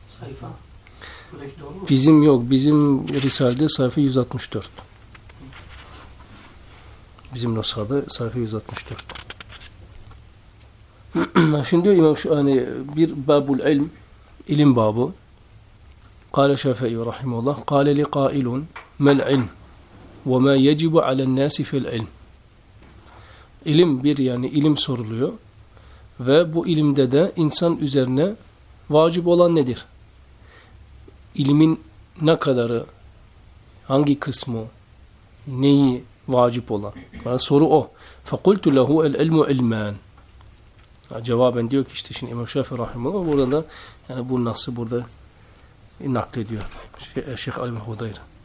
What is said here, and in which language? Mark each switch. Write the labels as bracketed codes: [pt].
[tr] Sayfa. Buradaki doğru mu? Bizim yok. Bizim Risale'de sayfa 164. Bizim noshada sayfa 164. Şimdi diyor İmam Şahani bir babul ilm, ilim babı. [ar] قال شافعي رحمه الله قال لي قائل ما العلم وما يجب على الناس في العلم [tr] ilim bir yani ilim soruluyor ve bu ilimde de insan üzerine vacip olan nedir? İlmin ne kadarı, hangi kısmı, neyi vacip olan? Yani soru o. [ar] فَقُلْتُ لَهُ الْعِلْمُ عِلْمًا [tr] Cevaben diyor ki işte şimdi İmam Şafii Rahimullah burada da yani bu nasıl burada naklediyor. Şeyh Ali Hudayr.